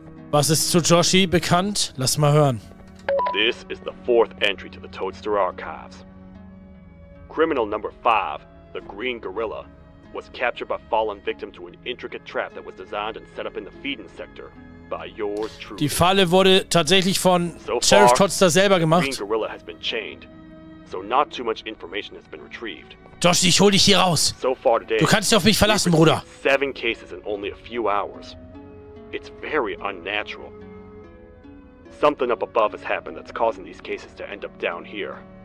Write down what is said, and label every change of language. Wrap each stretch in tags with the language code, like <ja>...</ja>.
<de>Was ist zu Joshi bekannt? Lass mal hören.</de> <en>This is the fourth entry to the Toadster Archives. Criminal number 5, the Green Gorilla, was captured by fallen victim to an intricate trap that was designed and set up in the feeding sector by yours truly.</en> <de>Die Falle wurde tatsächlich von Sheriff Totster selber gemacht.</de> <en>The Green Gorilla has been chained, so not too much information has been retrieved.</en> <de>Josh, ich hol dich hier raus.</de> <en>So far today,</en> <de>du kannst dich auf mich verlassen, Bruder.</de> <en>Seven cases in only a few hours. It's very unnatural. Something up above has happened that's causing these cases to end up down here.</en>